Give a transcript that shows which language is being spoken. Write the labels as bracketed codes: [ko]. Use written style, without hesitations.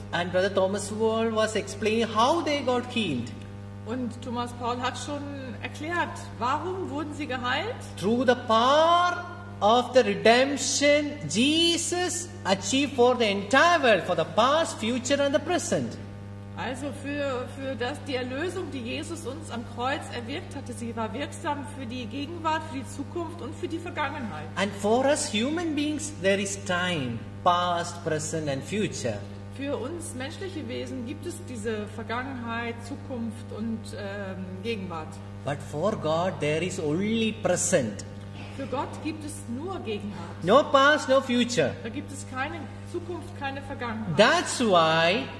[en] And Brother Thomas Wall was explaining how they got healed. [de] Und Thomas Paul hat schon erklärt, warum wurden sie geheilt? [en] Through the power of the redemption Jesus achieved for the entire world, for the past, future and the present. [de] Also für das, die Erlösung, die Jesus uns am Kreuz erwirkt hatte, sie war wirksam für die Gegenwart, für die Zukunft und für die Vergangenheit. [en] And for us human beings, there is time, past, present and future. [de] Für uns menschliche Wesen gibt es diese Vergangenheit, Zukunft und Gegenwart. [en] But for God, there is only present. [de] Für Gott gibt es nur Gegenwart. [en] No past, no future. [de] Da gibt es keine Zukunft, keine Vergangenheit. [en] That's why.